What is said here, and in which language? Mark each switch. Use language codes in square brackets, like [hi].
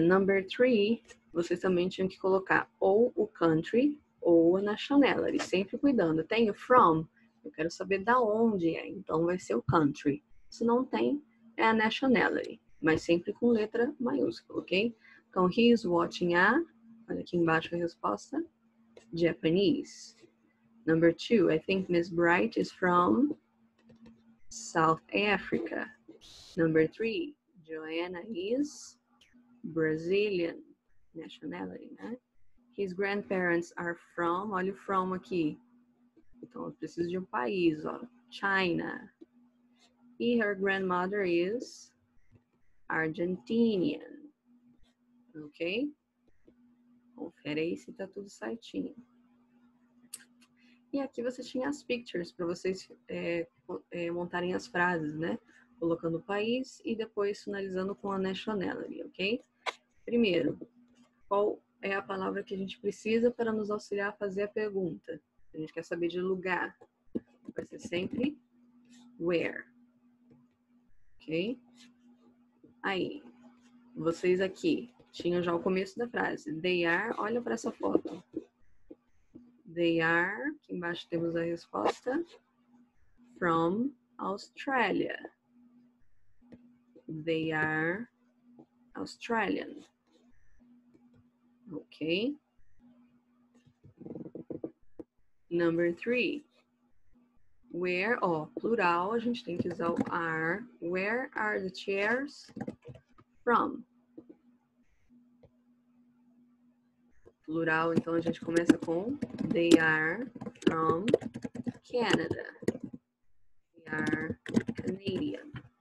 [en] Number three, [pt] vocês também tinham que colocar ou o country ou a nationality. Sempre cuidando. Tem o from? Eu quero saber da onde é. Então vai ser o country. Se não tem, é a nationality. Mas sempre com letra maiúscula, ok? Então, [en] he is watching a... [pt] Olha aqui embaixo a resposta. [en] Japanese. Number two, I think Miss Bright is from South Africa. Number three, Joanna is Brazilian nationality, [pt] né? [en] His grandparents are from, [pt] olha o from aqui. Então, eu preciso de um país, ó, China. [en] E her grandmother is Argentinian. Ok? [pt] Confere aí se tá tudo certinho. E aqui você tinha as pictures para vocês montarem as frases, né? Colocando o país e depois finalizando com a nationality, ok? Primeiro, qual é a palavra que a gente precisa para nos auxiliar a fazer a pergunta? A gente quer saber de lugar. Vai ser sempre where, ok? Aí, vocês aqui tinham já o começo da frase. [en] They are, [pt] olha para essa foto. They are, aqui embaixo temos a resposta, [en] from Australia. They are Australian. Ok? [pt] Number three. Where, ó, plural, a gente tem que usar o are. [en] Where are the chairs from? [pt] Plural, então a gente começa com [en] they are from Canada. They are Canadian.